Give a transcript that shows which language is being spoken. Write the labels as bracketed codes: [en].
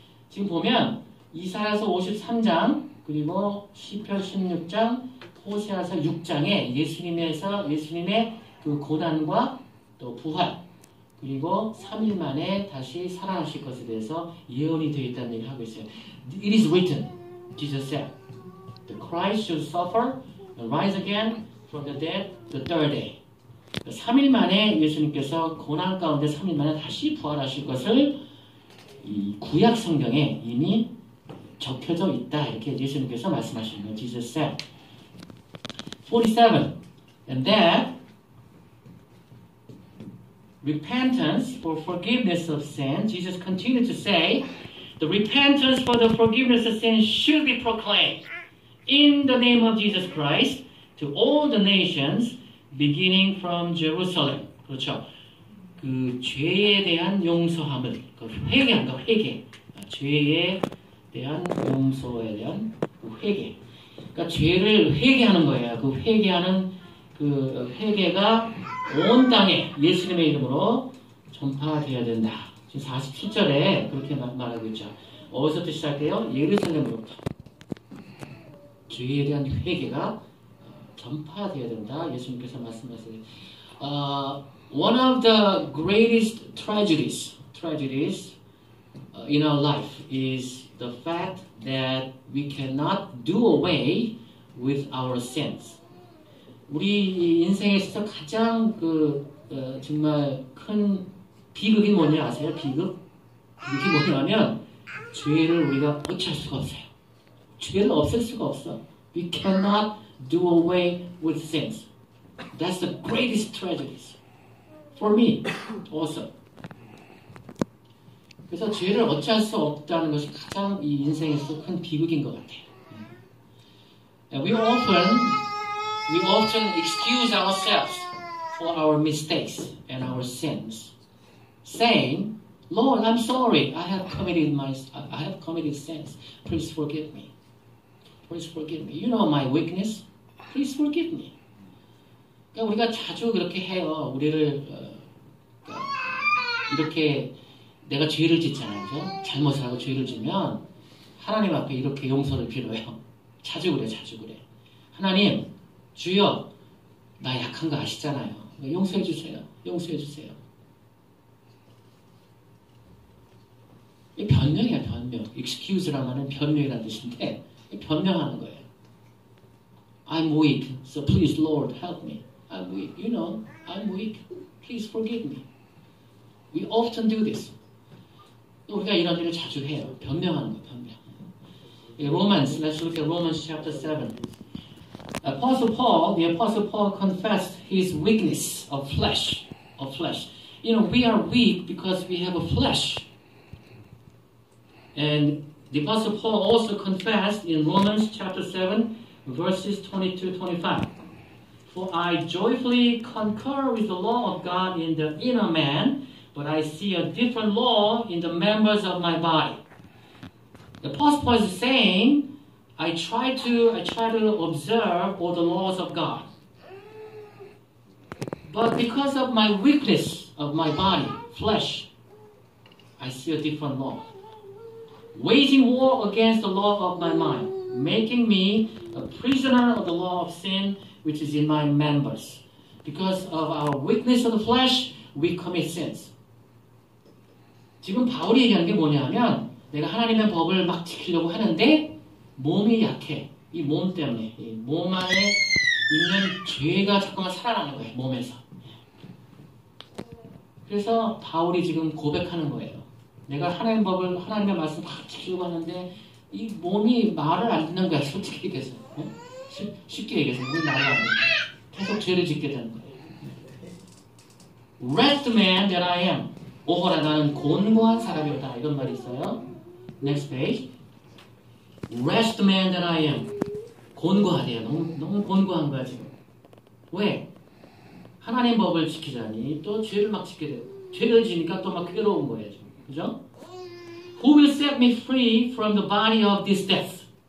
[ko] 지금 보면 이사야서 53장 그리고 시편 16장 호세아서 6장에 예수님의 그 고난과 또 부활 그리고 3일 만에 다시 살아나실 것에 대해서 예언이 되어 있다는 얘기를 하고 있어요. [en] It is written, Jesus said, the Christ should suffer and rise again from the dead the third day. [ko] 3일 만에 예수님께서 고난 가운데 3일 만에 다시 부활하실 것을 이 구약 성경에 이미 적혀져 있다. 이렇게 예수님께서 말씀하시는 거예요. [en] Jesus said. 47. And that repentance for forgiveness of sin, Jesus continued to say, the repentance for the forgiveness of sin should be proclaimed in the name of Jesus Christ to all the nations beginning from Jerusalem. [ko] 그렇죠. 그 죄에 대한 용서함을, 그 회개한 거, 회개. 죄에 대한 용서에 대한 회개. 그러니까 죄를 회개하는 거예요. 그 회개하는 그 회개가 온 땅에 예수님의 이름으로 전파되어야 된다. 지금 47절에 그렇게 말하고 있죠. 어디서부터 시작해요? 예루살렘으로부터. 죄에 대한 회개가 전파되어야 된다. 예수님께서 말씀하세요. [en] One of the greatest tragedies in our life is the fact that we cannot do away with our sins. [ko] 우리 인생에서 가장 정말 큰 비극이 뭐냐 아세요? 비극? 이게 뭐냐면 죄를 우리가 고칠 수가 없어요. 죄를 없앨 수가 없어. [en] We cannot do away with sins. That's the greatest tragedy for me also. [ko] 그래서 죄를 어찌할 수 없다는 것이 가장 이 인생에서 큰 비극인 것 같아요. [en] We often excuse ourselves for our mistakes and our sins, saying, "Lord, I'm sorry. I have committed sins. Please forgive me. Please forgive me. You know my weakness. Please forgive me." [ko] 그러니까 우리가 자주 그렇게 해요. 우리를 이렇게 내가 죄를 짓잖아요. 그렇죠? 잘못을 하고 죄를 지면 하나님 앞에 이렇게 용서를 빌어요. 자주 그래, 자주 그래. 하나님, 주여, 나 약한 거 아시잖아요. 용서해 주세요. 용서해 주세요. 이 변명이야, 변명. Excuse라고 하는 변명이라는 뜻인데 변명하는 거예요. [en] I'm weak, so please, Lord, help me. I'm weak, you know, I'm weak. Please forgive me. We often do this. [ko] 우리가 이런 일을 자주 해요. 변명하는 거예요, 변명. [en] Let's look at Romans chapter 7. The Apostle Paul confessed his weakness of flesh. You know, we are weak because we have a flesh. And the Apostle Paul also confessed in Romans chapter 7, verses 22-25. For I joyfully concur with the law of God in the inner man, but I see a different law in the members of my body. The Apostle Paul is saying, I try to observe all the laws of God. But because of my weakness of my body, flesh, I see a different law. Waging war against the law of my mind, making me a prisoner of the law of sin, which is in my members. Because of our weakness of the flesh, we commit sins. [ko] 지금 바울이 얘기한 게 뭐냐면, 내가 하나님의 법을 막 지키려고 하는데, 몸이 약해. 이 몸 때문에. 이 몸 안에 있는 죄가 자꾸만 살아나는 거예요. 몸에서. 그래서 바울이 지금 고백하는 거예요. 내가 하나님 법을, 하나님의 말씀 다 지키려고 하는데, 이 몸이 말을 안 듣는 거야. 솔직히 얘기해서. 어? 쉽게 얘기해서. 몸이 말을 안 듣는 거야. 계속 죄를 짓게 되는 거예요. [en] Wretched man that I am. [ko] 오호라, 나는 곤고한 사람이었다. 이런 말이 있어요. [en] Next page. Wretched man that I am. [ko] 곤고하대요. 너무 곤고한 거야, 지금. 왜? 하나님 법을 지키자니, 또 죄를 막 짓게 돼요. 죄를 지니까 또 막 괴로운 거예요, 지금. 그죠? [en] Who will set me free from the body of this death?